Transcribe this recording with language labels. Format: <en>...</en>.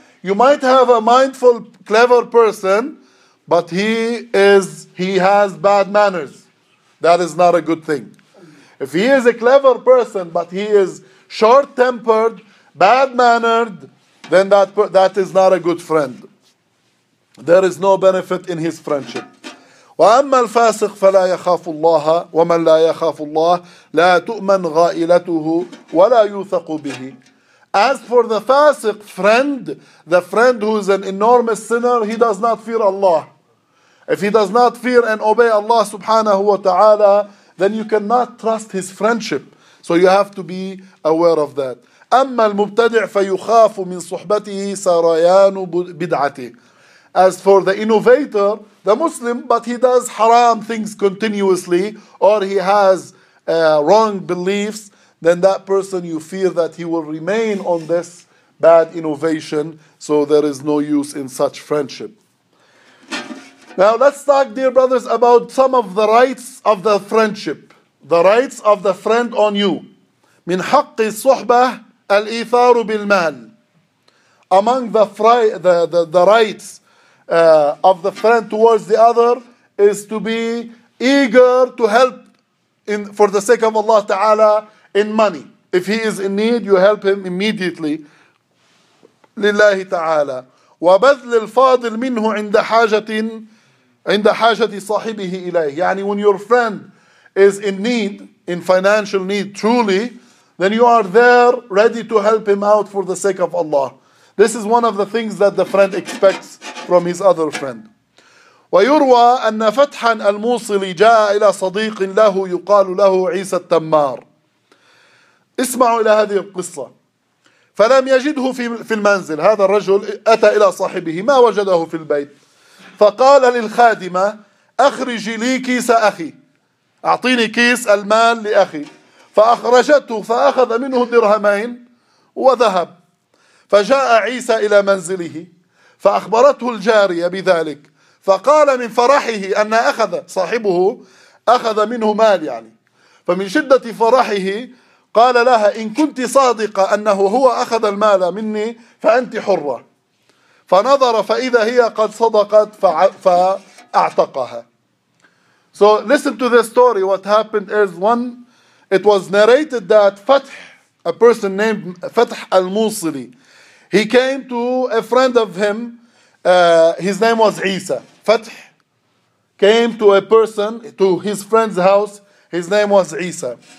<en>You might have a mindful, clever person, but he has bad manners. That is not a good thing. If he is a clever person, but he is short-tempered, bad-mannered, then that is not a good friend. There is no benefit in his friendship.</en> <ar>وأما الفاسق فلا يخاف الله ومن لا يخاف الله لا تؤمن غائلته ولا يوثق به.</ar> <en>As for the fasiq friend, the friend who is an enormous sinner, he does not fear Allah. If he does not fear and obey Allah subhanahu wa ta'ala, then you cannot trust his friendship. So you have to be aware of that.</en> <ar>أَمَّا الْمُبْتَدِعْ فَيُخَافُ مِنْ صُحْبَتِهِ سَرَيَانُ بِدْعَتِهِ.</ar> <en>As for the innovator, the Muslim, but he does haram things continuously, or he has wrong beliefs, then that person, you fear that he will remain on this bad innovation, so there is no use in such friendship. Now let's talk, dear brothers, about some of the rights of the friendship, the rights of the friend on you.</en> <ar>مِنْ حَقِّ الصُّحْبَةِ الإيثار بالمال.</ar> <en>Among the rights of the friend towards the other is to be eager to help in for the sake of Allah Ta'ala in money. If he is in need, you help him immediately.</en> <ar>لله تعالى. وبذل الفاضل منه عند حاجة صاحبه إليه.</ar> <en>يعني when your friend is in need, in financial need truly, then you are there ready to help him out for the sake of Allah. This is one of the things that the friend expects from his other friend.</en> <ar>ويروى أن فتحا الموصلي جاء إلى صديق له يقال له عيسى التمار. اسمعوا إلى هذه القصة. فلم يجده في المنزل. هذا الرجل أتى إلى صاحبه ما وجده في البيت. فقال للخادمة أخرجي لي كيس أخي. أعطيني كيس المال لأخي. فأخرجته فأخذ منه درهمين وذهب. فجاء عيسى إلى منزله فأخبرته الجارية بذلك، فقال من فرحه أن أخذ صاحبه أخذ منه مال يعني، فمن شدة فرحه قال لها إن كنت صادقة أنه هو أخذ المال مني فأنت حرة. فنظر فإذا هي قد صدقت فأعتقها.</ar> <en>So listen to the story. What happened is it was narrated that Fath, a person named Fath al-Musili, he came to a friend of him, his name was Isa. Fath came to a person, to his friend's house, his name was Isa.</en>